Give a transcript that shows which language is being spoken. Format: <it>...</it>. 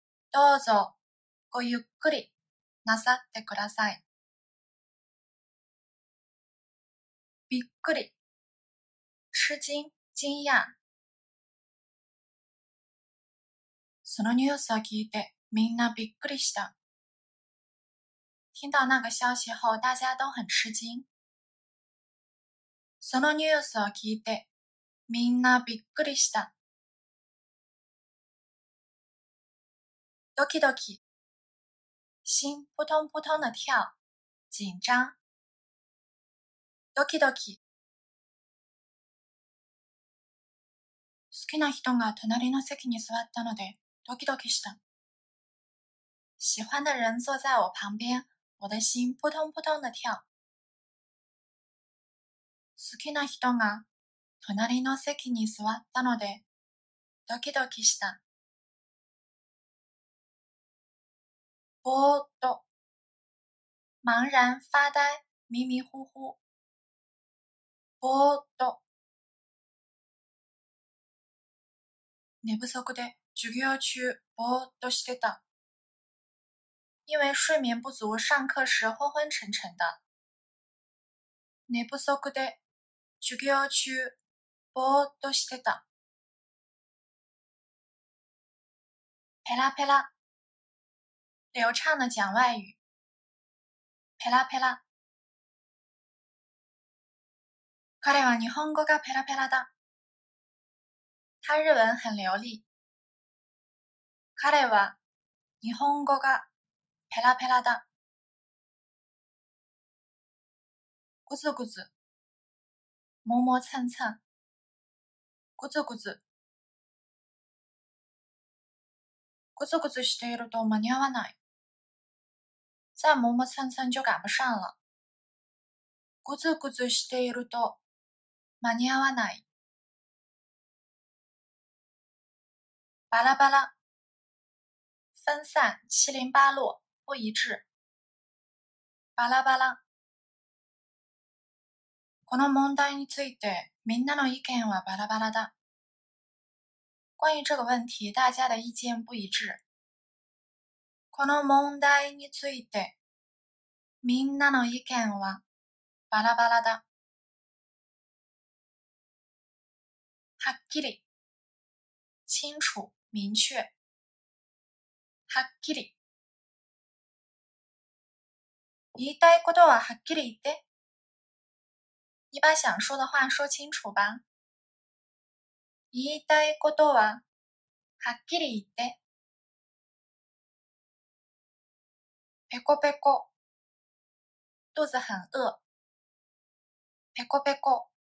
<ja>どうぞごゆっくりなさってください。</ja> <zh>びっくり。吃惊、惊讶。</zh> <ja>そのニュースを聞いてみんなびっくりした。</ja> <zh>听到那个消息后大家都很吃惊。</zh> <ja>そのニュースを聞いてみんなびっくりした。</ja> <zh>ドキドキ。心扑通扑通的跳。紧张。ドキドキ。</zh> <ja>好きな人が隣の席に座ったのでドキドキした。</ja> <zh>喜欢的人坐在我旁边。我的心扑通扑通的跳。</zh> <ja>好きな人が隣の席に座ったのでドキドキした。</ja> <zh>ぼーっと。茫然发呆迷迷糊糊。</zh> <ja>ぼーっと。寝不足で授業中ぼーっとしてた。</ja> <zh>因为睡眠不足上课时昏昏沉沉的。</zh> <ja>寝不足で授業中ぼーっとしてた。</ja> <zh>ペラペラ。流畅的讲外语。ペラペラ。</zh> <ja>彼は日本語がペラペラだ。</ja> <zh>他日文很流利。</zh> <ja>彼は日本語がペラペラだ。</ja> <zh>ぐずぐず。もも蹭蹭。</zh> <ja>ぐずぐず。ぐずぐずしていると間に合わない。</ja> <zh>再もも蹭蹭就赶不上了。</zh> <ja>ぐずぐずしていると間に合わない。</ja> <zh>バラバラ。分散、七零八落。不一致。</zh> <ja>バラバラ。この問題についてみんなの意見はバラバラだ。</ja> <zh>关于这个问题大家的意见不一致。</zh> <ja>この問題についてみんなの意見はバラバラだ。</ja> <zh>はっきり。清楚、明确。</zh> <ja>はっきり。言いたいことははっきり言って。</ja> <zh>你把想说的话说清楚吧。</zh> <ja>言いたいことははっきり言って。</ja> <zh>ペコペコ。肚子很饿。</zh> <ja>ペコペコ。</ja>